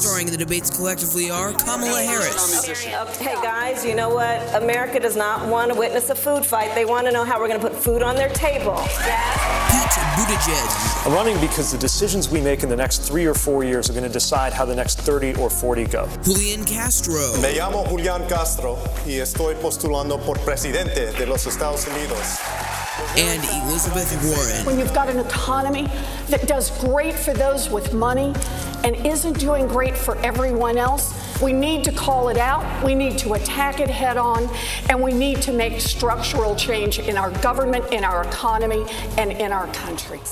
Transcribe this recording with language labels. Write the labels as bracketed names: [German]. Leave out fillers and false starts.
[English] Starring in the debates collectively are Kamala Harris. Okay, guys, you know what? America does not want to witness a food fight. They want to know how we're going to put food on their table. Pete Buttigieg. I'm running because the decisions we make in the next 3 or 4 years are going to decide how the next 30 or 40 go. Julian Castro. [Spanish] Me llamo Julian Castro y estoy postulando por presidente de los Estados Unidos. [English] And Elizabeth Warren. When you've got an economy that does great for those with money and isn't doing great for everyone else, we need to call it out, we need to attack it head on, and we need to make structural change in our government, in our economy, and in our country.